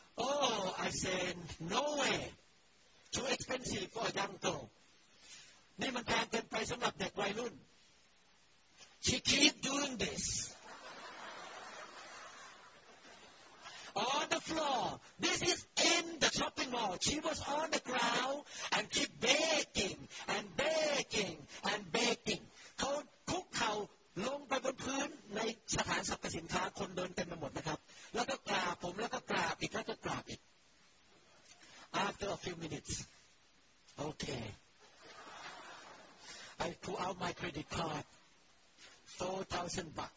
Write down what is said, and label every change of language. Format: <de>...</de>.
<en>Oh I said no way too expensive for a young girl</en> <th>นี่มันแพงเกินไปสำหรับเด็กวัยรุ่น</th> <en>She keep doing thisOn the floor. This is in the shopping mall. She was on the ground and keep baking and baking and baking.</en> <th>เขาคุกเข่าลงไปบนพื้นในสถานสรรพสินค้าคนเดินเต็มไปหมดนะครับแล้วก็กราบผมแล้วก็กราบอีกแล้วก็กราบอีก</th> <en>After a few minutes. Okay. I pull out my credit card. $4,000.</en>